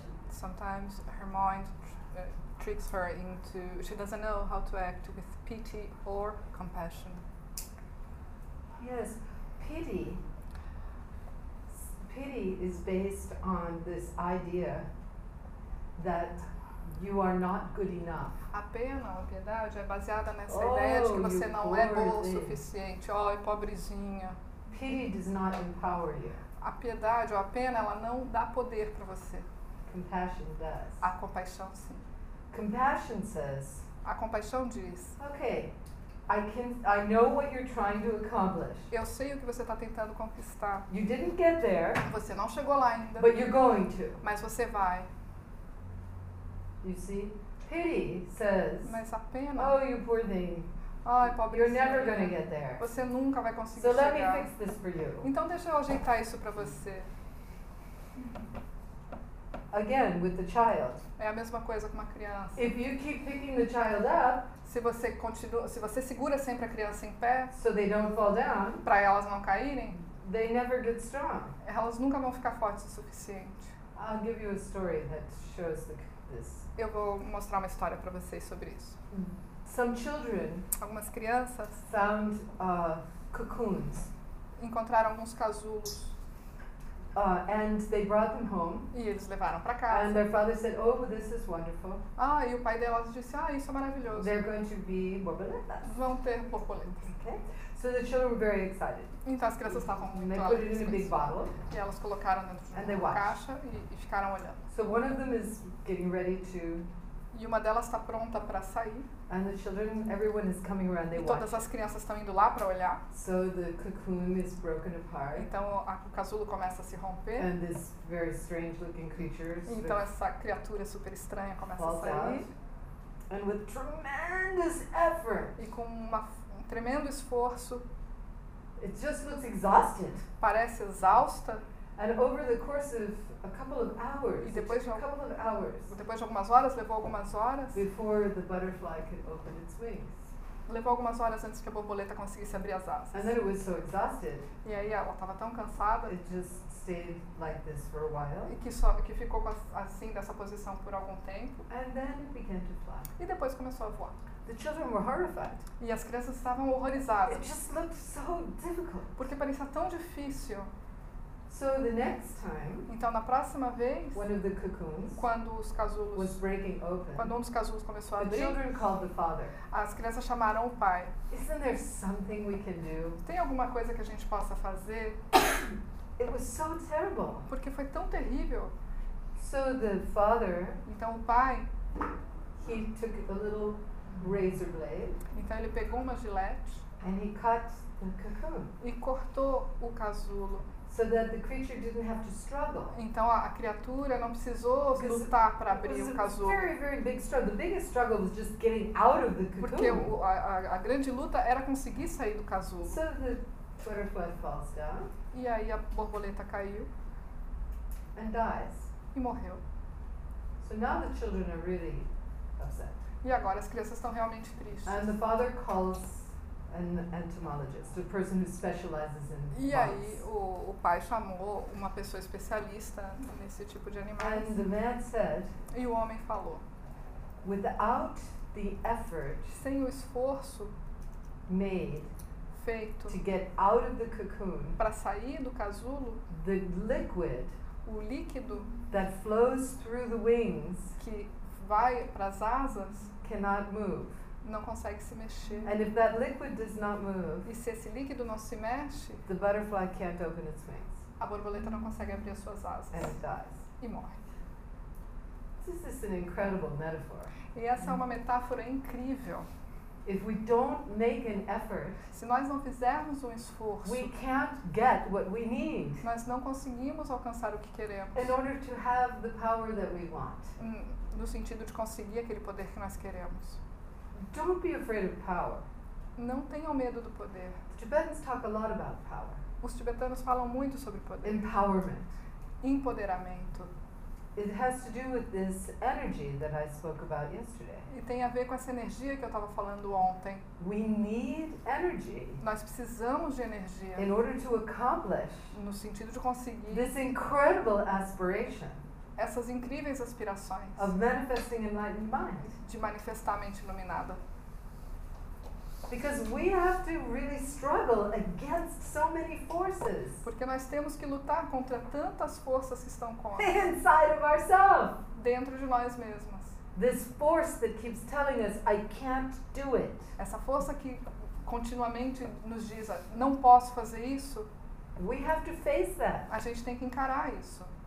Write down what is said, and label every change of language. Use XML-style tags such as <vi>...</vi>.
<en>Sometimes her mind tricks her into, she doesn't know how to act with pity or compassion. Yes, pity. Pity is based on this idea that you are not good enough.</en> <pt>A pena, a piedade, é baseada nessa ideia de que você não é boa o suficiente. Oh, pobrezinha.</pt> <en>Pity does not empower you.</en> <pt>A piedade ou a pena, ela não dá poder para você.</pt> <en>Compassion does.</en> <pt>A compaixão, sim.</pt> <en>Compassion says.</en> <pt>A compaixão diz.</pt> <en>Okay, I know what you're trying to accomplish.</en> <pt>Eu sei o que você está tentando conquistar.</pt> <en>You didn't get there.</en> <pt>Você não chegou lá ainda.</pt> <en>But you're going to.</en> <pt>Mas você vai.</pt> <en>You see? Pity says.</en> <pt>Mas a pena.</pt> <en>Oh, you poor thing.</en> <pt>Ai, pobrezinha.</pt> <en>You're never gonna get there.</en> <pt>Você nunca vai conseguir</pt> <en>so</en> <pt>chegar.</pt> <en>So let me fix this for you.</en> <pt>Então deixa eu ajeitar isso para você.</pt> <en>Again, with the child.</en> <pt>É a mesma coisa com uma criança.</pt> <en>If you keep picking the child up,</en> <pt>se você continua, se você segura sempre a criança em pé,</pt> <en>so they don't fall down,</en> <pt>para elas não caírem,</pt> <en>they never get strong.</en> <pt>Elas nunca vão ficar fortes o suficiente.</pt> <en>I'll give you a story that shows this.</en> <pt>Eu vou mostrar uma história para vocês sobre isso.</pt> <en>Some children,</en> <pt>algumas crianças,</pt> <en>found cocoons.</en> <pt>Encontraram alguns casulos.</pt> <en>And they brought them home.</en> <pt>E eles levaram para casa.</pt> <en>And their father said, "Oh, this is wonderful."</en> <pt>Ah, e o pai delas disse, "Ah, isso é maravilhoso."</pt> <en>They're going to be borboletas.</en> <pt>Vão ter borboletas.</pt> <en>Okay. So the children were very excited.</en> <pt>Então as crianças estavam muito alegres.</pt> <en>They put it in a big bottle.</en> <pt>E elas colocaram dentro de uma caixa e ficaram olhando.</pt> <en>So one of them is getting ready to.</en> <pt>E uma delas está pronta para sair.</pt> <en>And the children, everyone is coming around, they</en> <pt>e todas</pt> <en>watch.</en> <pt>As crianças estão indo lá para olhar.</pt> <en>So the cocoon is broken apart.</en> <pt>Então o casulo começa a se romper.</pt> <en>And this very strange looking creature,</en> <pt>então essa criatura super estranha começa a sair.</pt> <en>And with tremendous effort,</en> <pt>e com um tremendo esforço.</pt> <en>It just looks exhausted.</en> <pt>Parece exausta.</pt> <en>And over the course of a couple of hours,</en> <pt>e depois</pt> <en>a couple of hours,</en> <pt>depois de algumas horas, levou algumas horas.</pt> <en>Before the butterfly could open its wings.</en> <pt>Levou algumas horas antes que a borboleta conseguisse abrir as asas.</pt> <en>And then it was so exhausted.</en> <pt>E aí ela estava tão cansada.</pt> <en>It just stayed like this for a while.</en> <pt>E que ficou assim nessa posição por algum tempo.</pt> <en>And then it began to fly.</en> <pt>E depois começou a voar.</pt> <en>The children were horrified.</en> <pt>E as crianças estavam horrorizadas.</pt> <en>It just looked so difficult.</en> <pt>Porque parecia tão difícil.</pt> <en>So the next time,</en> <pt>então na próxima vez,</pt> <en>one of the cocoons,</en> <pt>quando os casulos,</pt> <en>was breaking open,</en> <pt>quando um dos casulos começou a abrir,</pt> <en>the children called the father.</en> <pt>As crianças chamaram o pai.</pt> <en>Isn't there something we can do?</en> <pt>Tem alguma coisa que a gente possa fazer?</pt> <en>It was so terrible.</en> <pt>Porque foi tão terrível.</pt> <en>So the father,</en> <pt>então o pai,</pt> <en>he took a little razor blade.</en> <pt>Então ele pegou uma gilete.</pt> <en>And he cut the cocoon.</en> <pt>E cortou o casulo.</pt> <en>So that the creature didn't have to struggle.</en> <pt>Então a criatura não precisou lutar para abrir o casulo.</pt> <en>Very, very big struggle. The biggest struggle was just getting out of the cocoon.</en> <pt>Porque a grande luta era conseguir sair do casulo.</pt> <en>So the butterfly falls down.</en> <pt>E aí a borboleta caiu.</pt> <en>And dies.</en> <pt>E morreu.</pt> <en>So now the children are really upset.</en> <pt>E agora as crianças estão realmente tristes.</pt> <en>And the father calls an entomologist, a person who specializes in bugs.</en> <pt>E aí o pai chamou uma pessoa especialista nesse tipo de animais.</pt> <en>And the man said,</en> <pt>e o homem falou,</pt> <en>without the effort,</en> <pt>sem o esforço</pt> <en>made,</en> <pt>feito,</pt> <en>to get out of the cocoon,</en> <pt>para sair do casulo,</pt> <en>the liquid,</en> <pt>o líquido,</pt> <en>that flows through the wings,</en> <pt>que vai para as asas,</pt> <en>cannot move.</en> <pt>Não consegue se mexer.</pt> <en>And if that liquid does not move,</en> <pt>e se esse líquido não se mexe,</pt> <en>the butterfly can't open its wings.</en> <pt>A borboleta não consegue abrir as suas asas.</pt> <en>And it dies.</en> <pt>E morre.</pt> <en>This is an incredible metaphor.</en> <pt>E essa é uma metáfora incrível.</pt> <en>If we don't make an effort,</en> <pt>se nós não fizermos um esforço,</pt> <en>we can't get what we need.</en> <pt>Nós não conseguimos alcançar o que queremos.</pt> <en>In order to have the power that we want.</en> <pt>No sentido de conseguir aquele poder que nós queremos.</pt> <en>Don't be afraid of power.</en> <pt>Não tenham medo do poder.</pt> <en>Tibetans talk a lot about power.</en> <pt>Os tibetanos falam muito sobre poder.</pt> <en>Empowerment.</en> <pt>Empoderamento.</pt> <en>It has to do with this energy that I spoke about yesterday.</en> <pt>E tem a ver com essa energia que eu estava falando ontem.</pt> <en>We need energy.</en> <pt>Nós precisamos de energia.</pt> <en>In order to accomplish.</en> <pt>No sentido de conseguir.</pt> <en>This incredible aspiration.</en> <pt>Essas incríveis aspirações.</pt> <en>Of manifesting enlightened mind.</en> <pt>De manifestar a mente iluminada.</pt> <en>Because we have to really struggle against so many forces.</en> <pt>Porque nós temos que lutar contra tantas forças que estão contra.</pt> <en>Inside of ourselves.</en> <pt>Dentro de nós mesmas.</pt> <en>This force that keeps telling us I can't do it.</en> <pt>Essa força que continuamente nos diz não posso fazer isso.</pt> <en>We have to face that.</en> <pt>A gente tem que encarar isso.</pt>